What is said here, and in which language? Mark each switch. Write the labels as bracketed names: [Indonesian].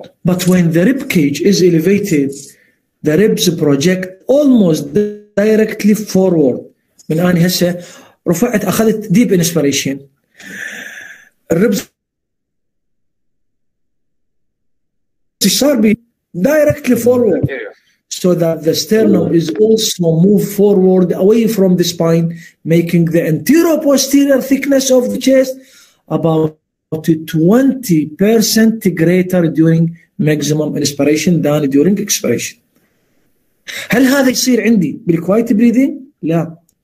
[English] But when the rib cage is elevated, the ribs project almost directly forward. [Arabic] من أني هسه رفعت أخذت [English] deep inspiration. [Arabic] الربز صار بي [English] directly forward, so that the sternum is also moved forward away from the spine, making the anterior posterior thickness of the chest about 20% greater during maximum inspiration than during expiration. [Arabic] هل هذا يصير عندي بال [English] quiet breathing؟ [Arabic] لا.